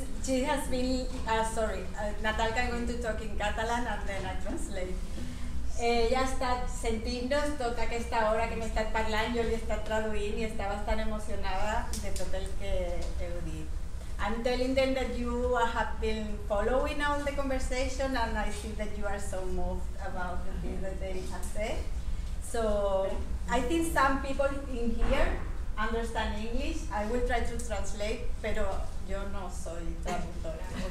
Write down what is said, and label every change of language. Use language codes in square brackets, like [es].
[en] Natalka, I'm going to talk in Catalan and then I translate. [ca] Ja ha estat sentint-nos tota aquesta hora que hem estat parlant, jo l'he estat traduint i estava tan emocionada de tot el que heu dit. [en] I'm telling them that you have been following all the conversation and I see that you are so moved about the things that they have said. So I think some people in here understand English. I will try to translate, [es] pero yo no soy traductora.